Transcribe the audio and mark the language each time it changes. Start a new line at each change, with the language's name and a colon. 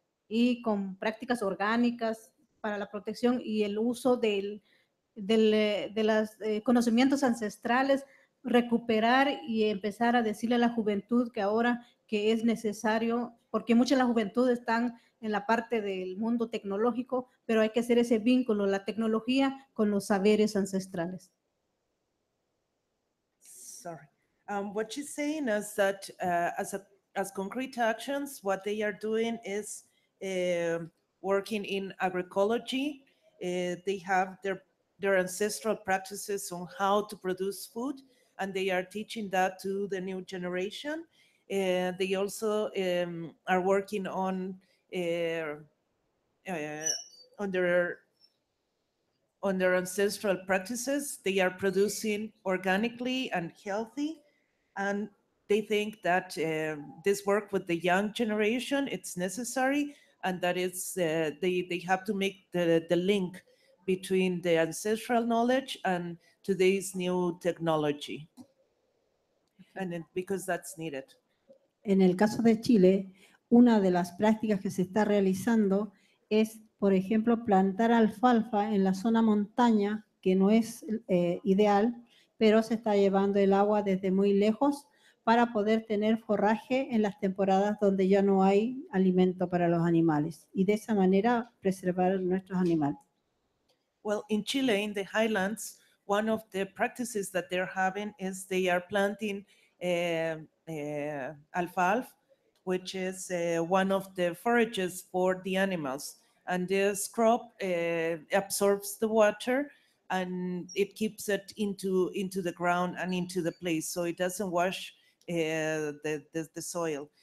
Spanish: y con prácticas orgánicas para la protección y el uso de los conocimientos ancestrales, recuperar y empezar a decirle a la juventud que ahora que es necesario, porque mucha de la juventud están en la parte del mundo tecnológico, pero hay que hacer ese vínculo, la tecnología con los saberes ancestrales.
English: Sorry. What she's saying is that as concrete actions, what they are doing is working in agroecology. They have their ancestral practices on how to produce food, and they are teaching that to the new generation. They also are working on their on their ancestral practices. They are producing organically and healthy, and they think that this work with the young generation, it's necessary, and that it's, they have to make the link between the ancestral knowledge and today's new technology, and it, because that's needed.
Spanish: En el caso de Chile, una de las prácticas que se está realizando es, por ejemplo, plantar alfalfa en la zona montaña, que no es ideal, pero se está llevando el agua desde muy lejos para poder tener forraje en las temporadas donde ya no hay alimento para los animales y de esa manera preservar nuestros animales.
English: Well, in Chile, in the highlands, one of the practices that they're having is they are planting alfalfa, which is one of the forages for the animals. And this crop absorbs the water and it keeps it into the ground and into the place, so it doesn't wash the soil.